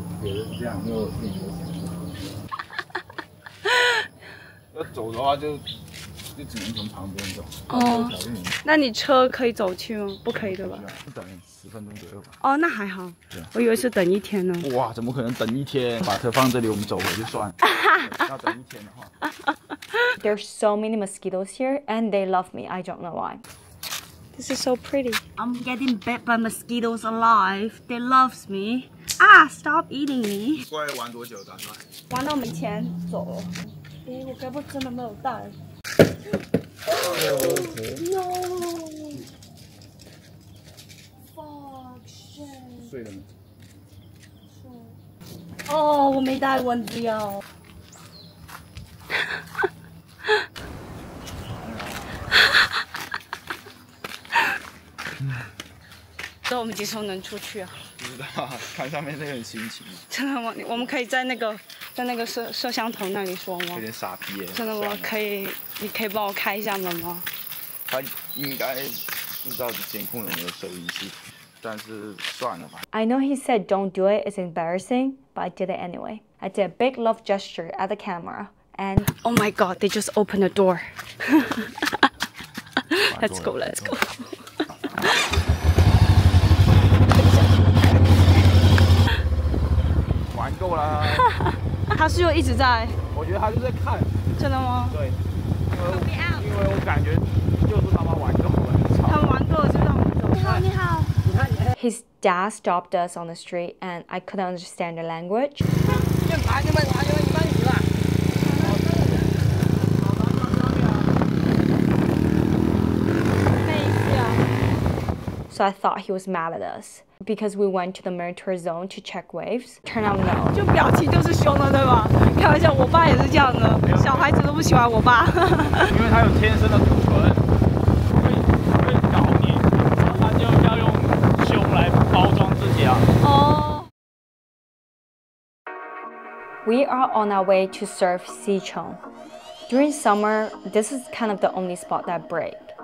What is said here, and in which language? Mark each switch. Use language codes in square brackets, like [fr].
[zh] 也是这样，没有自己的想法。要走的话就。就只能从旁边走。哦，那你车可以走去吗？不可以对吧？等十分钟左右吧。哦，那还好。我以为是等一天呢。哇，怎么可能等一天？把车放这里，我们走回就算。要等一天的话。 [en] There's so many mosquitoes here, and they love me. I don't know why. This is so pretty. I'm getting bit by mosquitoes alive. They love me. Ah, stop eating me. [zh] 过来玩多久？打算？玩到没钱走了。哎，我该不真的没有带？ [en] No! Fuck shit! [zh] 睡了吗？睡。哦，我没带蚊子药。那我们几时候能出去啊？不知道，看上面那个人心情。真的吗？我们可以在那个。在那个摄像头那里说吗？有点傻逼耶！真的吗？可以，你可以帮我开一下门吗？他应该不知道监控有没有收音器，但是算了吧。 [en] I know he said don't do it, it's embarrassing, but I did it anyway. I did a big love gesture at the camera, and oh my god, they just opened the door. Let's go, let's go. [zh] 他是又一直在，我觉得他就在看，真的吗？对，因为我感觉就是他妈玩够了，他玩够了就让我们走。你好，你好。 [en] His dad stopped us on the street, and I couldn't understand the language. [zh] 慢点，慢点，慢点，慢点，慢点。 [en] So I thought he was mad at us. Because we went to the monitor zone to check waves. Turn out no. [zh] 就表情就是凶的，对吧？开玩笑，我爸也是这样的。小孩子都不喜欢我爸。因为他有天生的骨盆，会咬你，然后他就要用胸来包装自己啊。哦。 [en] We are on our way to surf Xichong. During summer, this is kind of the only spot that breaks.